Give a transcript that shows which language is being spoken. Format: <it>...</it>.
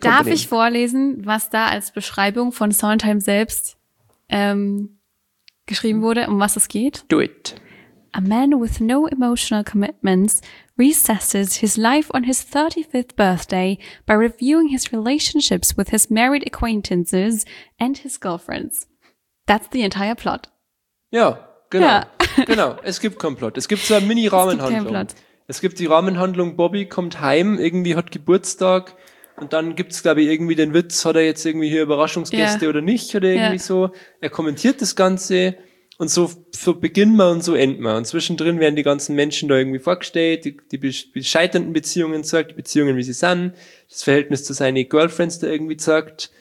<de>Darf ich vorlesen, was da als Beschreibung von Sondheim selbst geschrieben wurde, um was es geht?</de> <en>Do it. A man with no emotional commitments recesses his life on his 35th birthday by reviewing his relationships with his married acquaintances and his girlfriends. That's the entire plot.</en> <de>Ja, genau. Ja. Genau. Es gibt keinen Plot. Es gibt so eine Mini-Rahmenhandlung. Es gibt die Rahmenhandlung, Bobby kommt heim, irgendwie hat Geburtstag und dann gibt es, glaube ich, irgendwie den Witz, hat er jetzt irgendwie hier Überraschungsgäste oder nicht oder irgendwie so. Er kommentiert das Ganze. Und so beginnen wir und so enden wir. Und zwischendrin werden die ganzen Menschen da irgendwie vorgestellt, die bescheiternden Beziehungen zeigt, die Beziehungen, wie sie sind, das Verhältnis zu seinen Girlfriends da irgendwie zeigt.</de>